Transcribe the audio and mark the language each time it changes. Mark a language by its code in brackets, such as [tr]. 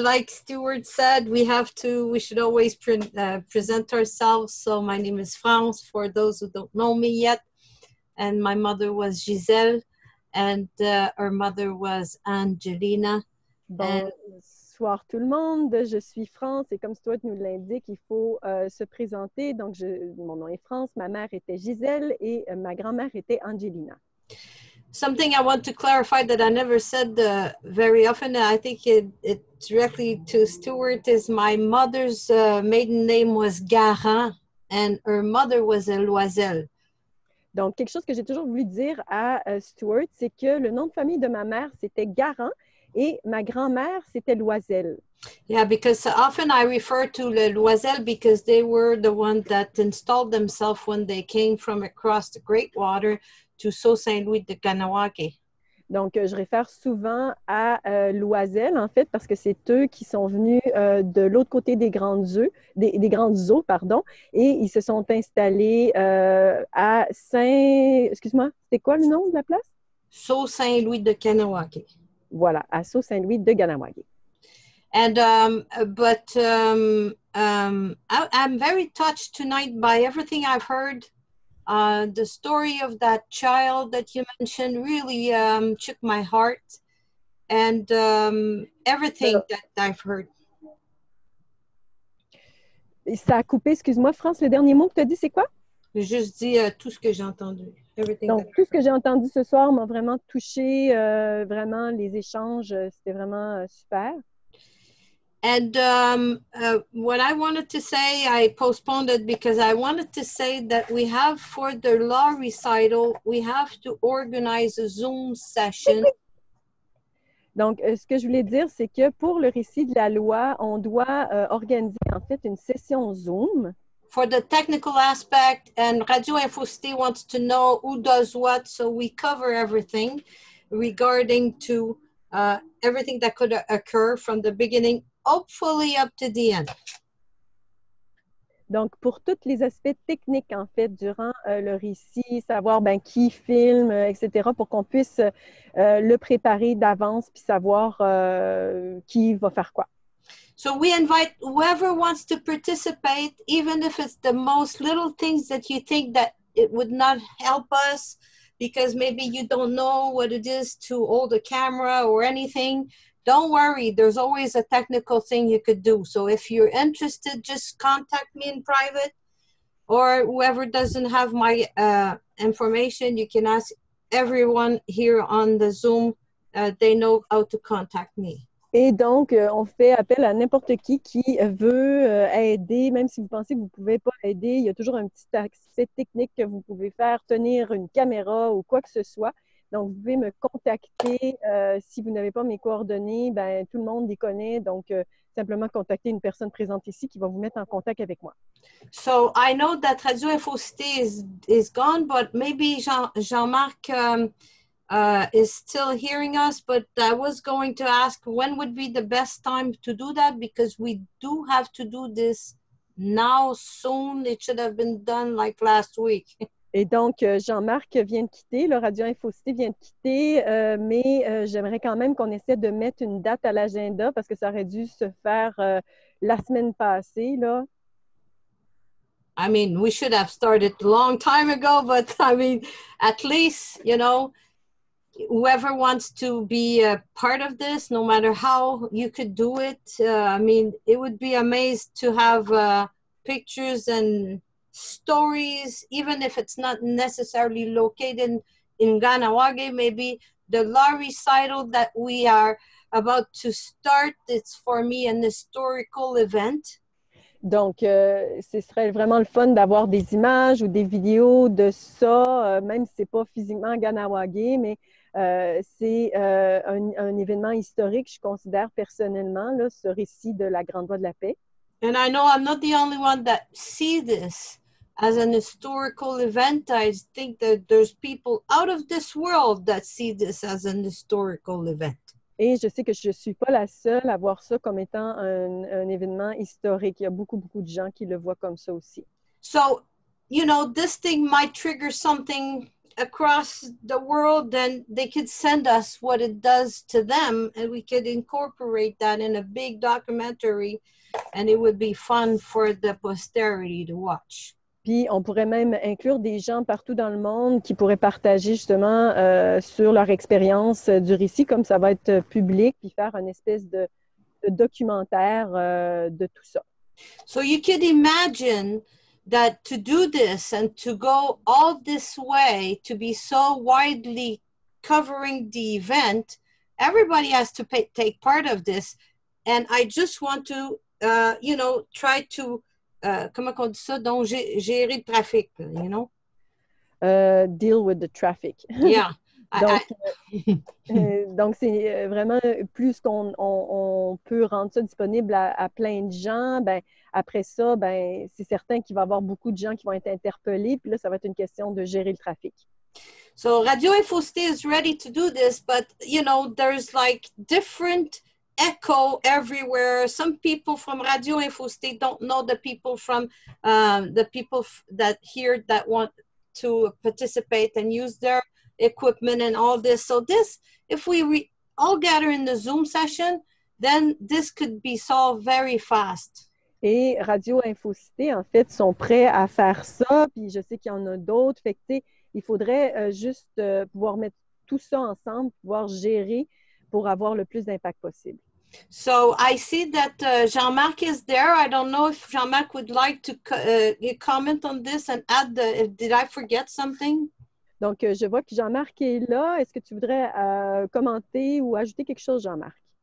[en] Like Stuart said, we should always present ourselves. So, my name is France, for those who don't know me yet. And my mother was Giselle, and her mother was Angelina. [fr] Bonsoir, tout le monde. Je suis France, et comme Stuart nous l'indique, il faut se présenter. Donc, mon nom est France, ma mère était Giselle, et ma grand-mère était Angelina. [en] Something I want to clarify that I never said very often, and I think it directly to Stuart, is my mother's maiden name was Garin, and her mother was Loisel. [fr] Donc, quelque chose que j'ai toujours voulu dire à Stuart, c'est que le nom de famille de ma mère, c'était Garin, et ma grand-mère, c'était Loisel. [en] Yeah, because often I refer to the Loisel because they were the ones that installed themselves when they came from across the Great Water to Sault Saint Louis de Kanawake. [fr] Donc, je réfère souvent à Loisel, en fait, parce que c'est eux qui sont venus de l'autre côté des grandes eaux, des grandes eaux, pardon, et ils se sont installés à Saint... Excuse-moi, c'était quoi le nom de la place? Sault Saint Louis de Kanawake. Voilà, à Sault Saint Louis de Kanawake. [en] And I'm very touched tonight by everything I've heard. The story of that child that you mentioned really shook my heart, and everything that I've heard. [fr] Ça a coupé. Excuse-moi, France. Le dernier mot que tu as dit, c'est quoi? Juste dit tout ce que j'ai entendu. Donc, tout ce que j'ai entendu ce soir m'a vraiment touché. Vraiment, les échanges, c'était vraiment super. [en] And what I wanted to say, I postponed it because I wanted to say that we have for the law recital, we have to organize a Zoom session. [fr] Donc, ce que je voulais dire, c'est que pour le récit de la loi, on doit organiser en fait une session Zoom. [en] For the technical aspect, and Radio Info City wants to know who does what, so we cover everything regarding to everything that could occur from the beginning, hopefully up to the end. [fr] Donc, pour tous les aspects techniques, en fait, durant le récit, savoir ben, qui filme, etc., pour qu'on puisse le préparer d'avance puis savoir qui va faire quoi. [en] So we invite whoever wants to participate, even if it's the most little things that you think that it would not help us, because maybe you don't know what it is to hold a camera or anything. Don't worry, there's always a technical thing you could do. So if you're interested, just contact me in private, or whoever doesn't have my information, you can ask everyone here on the Zoom. They know how to contact me. [fr] Et donc, on fait appel à n'importe qui veut aider, même si vous pensez que vous ne pouvez pas aider. Il y a toujours un petit accès technique que vous pouvez faire, tenir une caméra ou quoi que ce soit. Donc, vous pouvez me contacter. Si vous n'avez pas mes coordonnées, ben tout le monde les connaît. Donc, simplement contacter une personne présente ici qui va vous mettre en contact avec moi. [en] So, I know that Radio Info City is gone, but maybe Jean-Marc... is still hearing us, but I was going to ask when would be the best time to do that, because we do have to do this now, soon. It should have been done like last week. [fr] Et donc, Jean-Marc vient de quitter, le Radio Info City vient de quitter, mais j'aimerais quand même qu'on essaie de mettre une date à l'agenda, parce que ça aurait dû se faire la semaine passée, là. [en] I mean, we should have started a long time ago, but I mean, at least, you know, whoever wants to be a part of this, no matter how you could do it, I mean, it would be amazing to have pictures and stories, even if it's not necessarily located in Ganawage. Maybe the law recital that we are about to start, it's for me an historical event. [fr] Donc, ce serait vraiment le fun d'avoir des images ou des vidéos de ça, même si ce n'est pas physiquement Ganawage, mais c'est un événement historique, je considère personnellement, là, ce récit de la Grande Voie de la Paix. [en] And I know I'm not the only one that see this as an historical event. I think that there's people out of this world that see this as an historical event. [fr] Et je sais que je suis pas la seule à voir ça comme étant un événement historique. Il y a beaucoup, beaucoup de gens qui le voient comme ça aussi. [en] So, you know, this thing might trigger something across the world, then they could send us what it does to them, and we could incorporate that in a big documentary, and it would be fun for the posterity to watch. [fr] Puis on pourrait même inclure des gens partout dans le monde qui pourraient partager justement sur leur expérience du récit, comme ça va être public, puis faire une espèce de documentaire de tout ça. [en] So you could imagine that to do this and to go all this way, to be so widely covering the event, everybody has to take part of this. And I just want to, you know, try to [fr] comment on dit ça? Donc, gérer le trafic, [en] you know? Deal with the traffic. Yeah. [fr] Donc, donc, c'est vraiment plus qu'on on peut rendre ça disponible à plein de gens, ben après ça, ben c'est certain qu'il va y avoir beaucoup de gens qui vont être interpellés, puis là, ça va être une question de gérer le trafic. [en] So, Radio InfoCité is ready to do this, but, you know, there's like different echo everywhere. Some people from Radio InfoCité don't know the people from the people that here that want to participate and use their equipment and all this. So this, if we all gather in the Zoom session, then this could be solved very fast. [fr] Et Radio InfoCité, en fait, sont prêts à faire ça. Puis je sais qu'il y en a d'autres. Fait que, tu sais, il faudrait juste pouvoir mettre tout ça ensemble, pouvoir gérer pour avoir le plus d'impact possible. [en] So I see that Jean-Marc is there. I don't know if Jean-Marc would like to comment on this and add the, did I forget something? [fr] Donc, je vois que Jean-Marc est là. Est-ce que tu voudrais commenter ou ajouter quelque chose, Jean-Marc?